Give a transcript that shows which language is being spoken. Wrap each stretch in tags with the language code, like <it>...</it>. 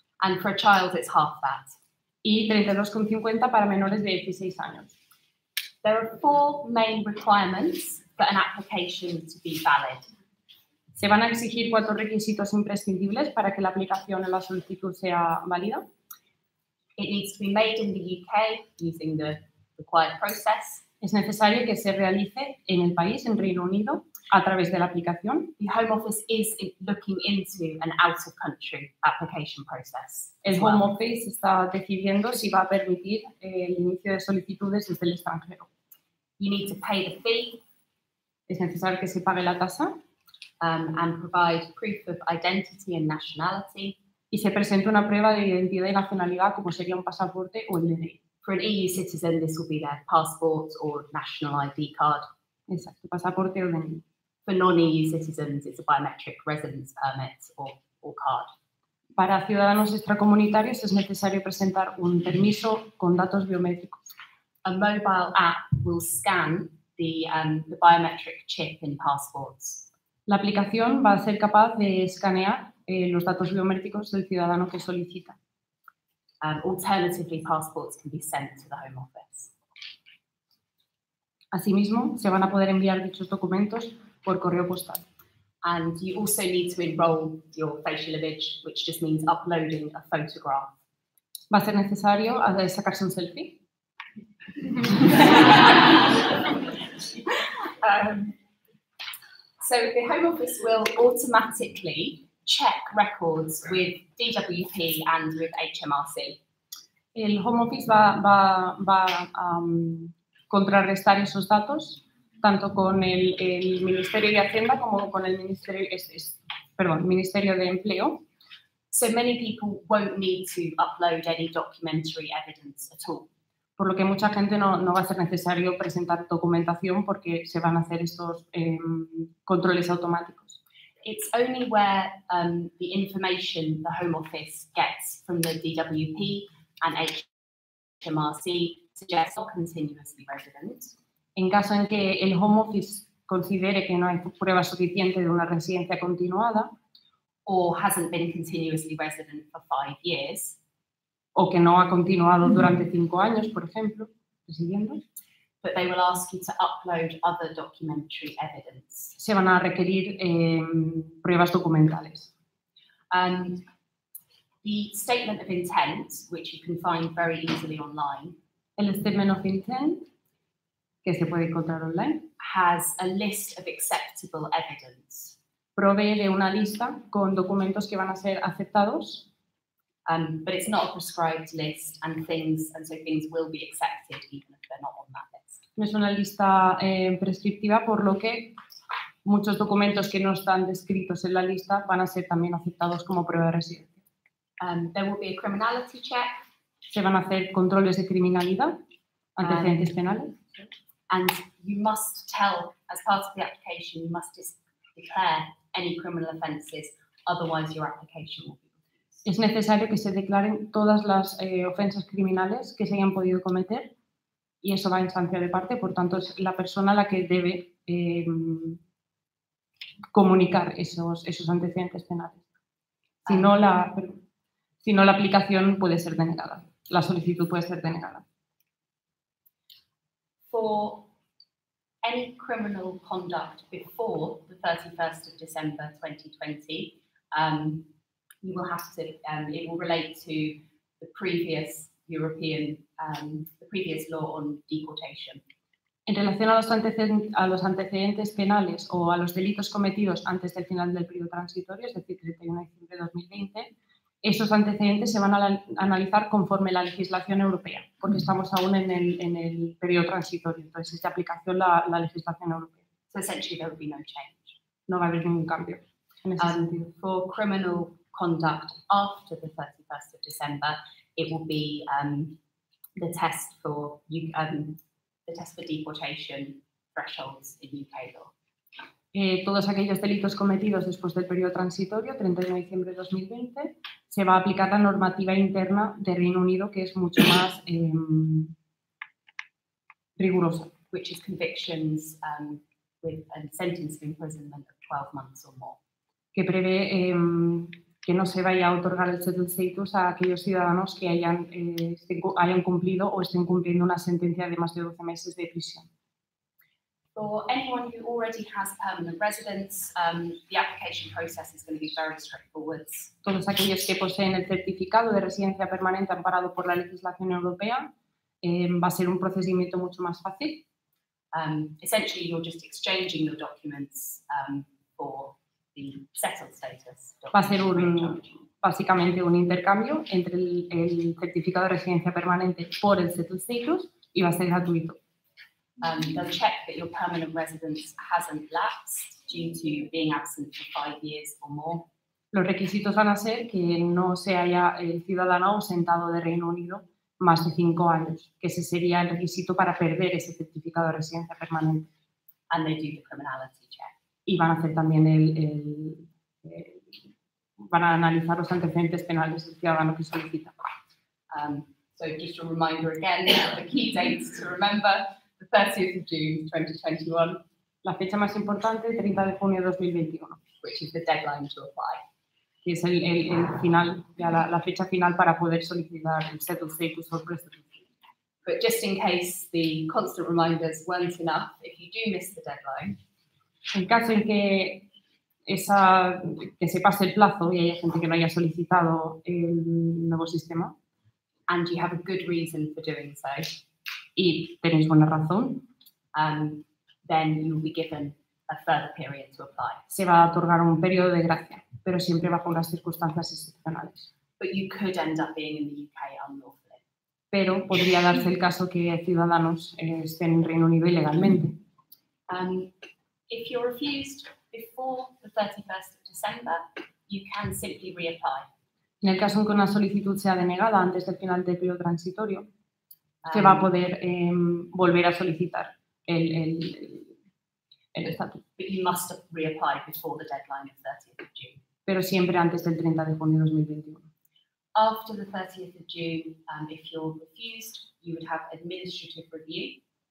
<en>And for a child it's half that.</en> <es>Y 32,50 para menores de 16 años.</es> <en>There are four main requirements for an application to be valid.</en> <es>Se van a exigir cuatro requisitos imprescindibles para que la aplicación o la solicitud sea válida.</es> <en>It needs to be made in the UK using the required process.</en> <es>Es necesario que se realice en el país, en Reino Unido. a través de la aplicación.</es> <en>The Home Office is looking into an out-of-country application process.</en> <es>El Home Office está decidiendo si va a permitir el inicio de solicitudes desde el extranjero.</es> <en>You need to pay the fee.</en> <es>Es necesario que se pague la tasa.</es> <en>And provide proof of identity and nationality.</en> <es>Y se presenta una prueba de identidad y nacionalidad, como sería un pasaporte o el DNI.</es> <en>For an EU citizen, this will be their passport or national ID card.</en> <es>Exacto, pasaporte o DNI.</es> <en>For non-EU citizens, it's a biometric residence permit or card.</en> <es>Para ciudadanos extracomunitarios es necesario presentar un permiso con datos biométricos.</es> <en>A mobile app will scan the biometric chip in passports.</en> <es>La aplicación va a ser capaz de escanear los datos biométricos del ciudadano que solicita.</es> <en>Alternatively, passports can be sent to the Home Office.</en> <es>Asimismo, se van a poder enviar dichos documentos por correo postal.</es> <en>And you also need to enroll your facial image, which just means uploading a photograph.</en> <es>Va a ser necesario sacarse un selfie.</es> <en>So the Home Office will automatically check records with DWP and with HMRC.</en> <es>El Home Office va a contrarrestar esos datos tanto con el Ministerio de Hacienda como con el Ministerio de Empleo.</es> <en>So many people won't need to upload any documentary evidence at all.</en> <es>Por lo que mucha gente no va a ser necesario presentar documentación porque se van a hacer estos controles automáticos.</es> <en>It's only where the information the Home Office gets from the DWP and HMRC suggests not continuously resident.</en> <es>En caso en que el Home Office considere que no hay prueba suficiente de una residencia continuada,</es> <en>or hasn't been continuously resident for 5 years,</en> <es>o que no ha continuado durante 5 años, por ejemplo, residiendo,</es> <en>but they will ask you to upload other documentary evidence.</en> <es>Se van a requerir pruebas documentales.</es> <en>The statement of intent, which you can find very easily online,</en> <es>el statement of intent, que se puede encontrar online,</es> <en>has a list of acceptable evidence.</en> <es>Provee de una lista con documentos que van a ser aceptados.</es> <en>But it's not a prescribed list, and so things will be accepted even if they're not on that list.</en> <es>No es una lista prescriptiva, por lo que muchos documentos que no están descritos en la lista van a ser también aceptados como prueba de residencia.</es> <en>There will be a criminality check.</en> <es>Se van a hacer controles de criminalidad, antecedentes penales.</es> <en>And you must tell, as part of the application, you must declare any criminal offences, otherwise your application will be.</en> <es>Es necesario que se declaren todas las ofensas criminales que se hayan podido cometer y eso va en instancia de parte, por tanto es la persona la que debe comunicar esos antecedentes penales. Si no, la aplicación puede ser denegada, la solicitud puede ser denegada.</es> <en>For any criminal conduct before the 31st of December 2020, you will have to. It will relate to the previous European, the previous law on deportation.</en> <es>En relación a los antecedentes penales o a los delitos cometidos antes del final del periodo transitorio, es decir, 31 de diciembre de 2020, esos antecedentes se van a analizar conforme la legislación europea, porque estamos aún en el periodo transitorio. Entonces, es de aplicación la legislación europea.</es> <en>So essentially, there will be no change.</en> <es>No va a haber ningún cambio en ese sentido.</es> <en>For criminal conduct after the 31st of December, it will be the test for deportation thresholds in UK law.</en> <es>Todos aquellos delitos cometidos después del periodo transitorio, 31 de diciembre de 2020, se va a aplicar la normativa interna de Reino Unido, que es mucho más rigurosa.</es> <en>Which is convictions with a sentence of imprisonment of 12 months or more.</en> <es>Que prevé que no se vaya a otorgar el settled status a aquellos ciudadanos que hayan cumplido o estén cumpliendo una sentencia de más de 12 meses de prisión.</es> <en>For anyone who already has permanent residence, the application process is going to be very straightforward.</en> <es>Todos aquellos que poseen el certificado de residencia permanente amparado por la legislación europea, va a ser un procedimiento mucho más fácil.</es> <en>essentially, you're just exchanging your documents for the settled status.</en> <es>Va a ser un, básicamente un intercambio entre el certificado de residencia permanente por el settled status y va a ser gratuito.</es> <en>They'll check that your permanent residence hasn't lapsed due to being absent for 5 years or more.</en> <es>Los requisitos van a ser que no se haya el ciudadano ausentado de Reino Unido más de 5 años, que ese sería el requisito para perder ese certificado de residencia permanente.</es> <en>And they do the criminality check.</en> <es>Y van a hacer también van a analizar los antecedentes penales del ciudadano que solicita.</es> <en>So just a reminder again, the key dates to remember, the 30th of June 2021.</en> <es>La fecha más importante, 30 de junio de 2021.</es> <en>Which is the deadline to apply.</en> <es>Que es el final, la fecha final para poder solicitar el settled status or residency.</es> <en>But just in case the constant reminders weren't enough, if you do miss the deadline.</en> <es>En caso en que que se pase el plazo y haya gente que no haya solicitado el nuevo sistema.</es> <en>And you have a good reason for doing so.</en> <es>Y tenéis buena razón.</es> <en>Then you'll be given a further period to apply.</en> <es>Se va a otorgar un periodo de gracia, pero siempre bajo unas circunstancias excepcionales.</es> <en>But you could end up being in the UK unlawfully.</en> <es>Pero podría darse el caso que ciudadanos estén en Reino Unido ilegalmente.</es> <en>If you're refused before the 31st of December, you can simply reapply.</en> <es>En el caso en que una solicitud sea denegada antes del final del periodo transitorio, se va a poder volver a solicitar el estatus.</es> <en>But you must reapply before the deadline of 30th of June.</en> <es>Pero siempre antes del 30 de junio de 2021.</es> <en>After the 30th of June, if you're refused, you would have administrative review.</en>